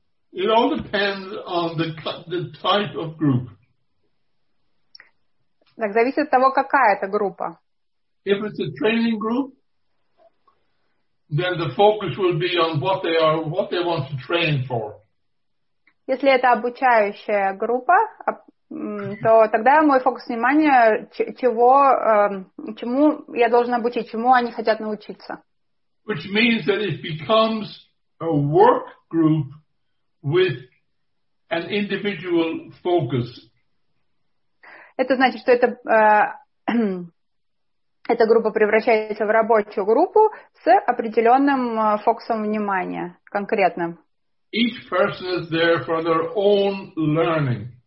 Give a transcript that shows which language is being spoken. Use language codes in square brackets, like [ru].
[en] It all depends on the type of group. [ru] Так зависит от того, какая это группа. [en] If it's a training group, then the focus will be on what they want to train for. [ru] Если это обучающая группа, то тогда мой фокус внимания чему я должен обучить, чему они хотят научиться. [en] Which means that it becomes a work group with an individual focus. [ru] Это значит, что эта группа превращается в рабочую группу с определенным фокусом внимания, конкретным. [en] Each person is there for their own learning.